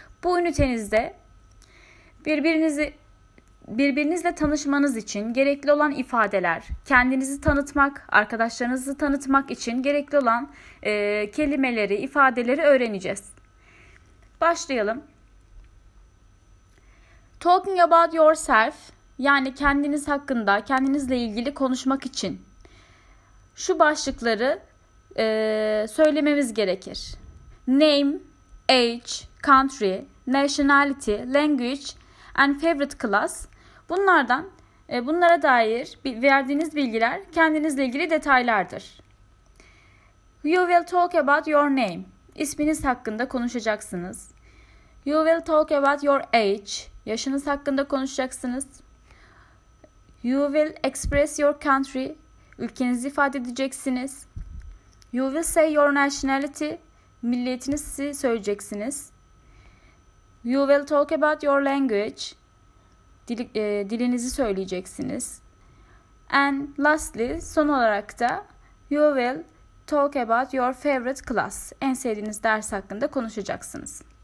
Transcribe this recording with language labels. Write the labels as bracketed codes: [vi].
[tr] Bu ünitenizde birbirinizle tanışmanız için gerekli olan ifadeler, kendinizi tanıtmak, arkadaşlarınızı tanıtmak için gerekli olan kelimeleri, ifadeleri öğreneceğiz. Başlayalım. [en] Talking about yourself, [tr] yani kendiniz hakkında, kendinizle ilgili konuşmak için şu başlıkları söylememiz gerekir. [en] Name, age, country, nationality, language and favorite class. [tr] Bunlardan, bunlara dair verdiğiniz bilgiler kendinizle ilgili detaylardır. [en] You will talk about your name. [tr] İsminiz hakkında konuşacaksınız. [en] You will talk about your age. [tr] Yaşınız hakkında konuşacaksınız. [en] You will express your country. [tr] Ülkenizi ifade edeceksiniz. [en] You will say your nationality, [tr] milliyetinizi söyleyeceksiniz. [en] You will talk about your language, [tr] dilinizi söyleyeceksiniz. [en] And lastly, [tr] son olarak da [en] you will talk about your favorite class, [tr] en sevdiğiniz ders hakkında konuşacaksınız.